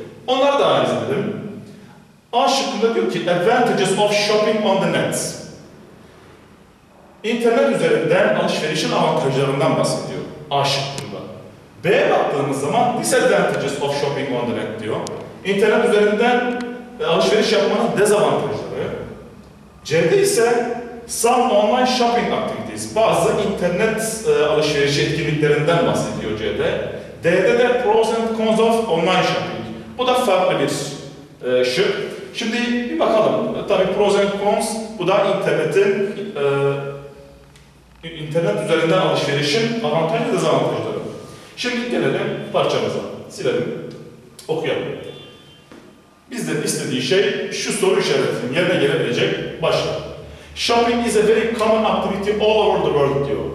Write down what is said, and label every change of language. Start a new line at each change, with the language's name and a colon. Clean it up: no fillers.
Turkish: Onları da analiz edelim. A şıkkında diyor ki
English: advantages of shopping on the net.
Turkish: İnternet üzerinden alışverişin avantajlarından bahsediyor. A şıkkında. B'ye baktığımız zaman
English: disadvantages of shopping on the net
Turkish: diyor. İnternet üzerinden alışveriş yapmanın dezavantajları.
English: C'de ise some online shopping activities.
Turkish: Bazı internet alışveriş etkinliklerinden bahsediyor C'de. D'de de
English: pros and cons of online shopping.
Turkish: Bu da farklı bir şık. Şimdi bir bakalım. Tabii pros and cons bu da internetin internet üzerinden alışverişin avantajı ve dezavantajları. Şimdi gelelim parçamıza. Silelim. Okuyalım. Bizden istediği şey şu soru işaretinin yerine gelebilecek başlık.
English: Shopping is a very common activity all over the world diyor.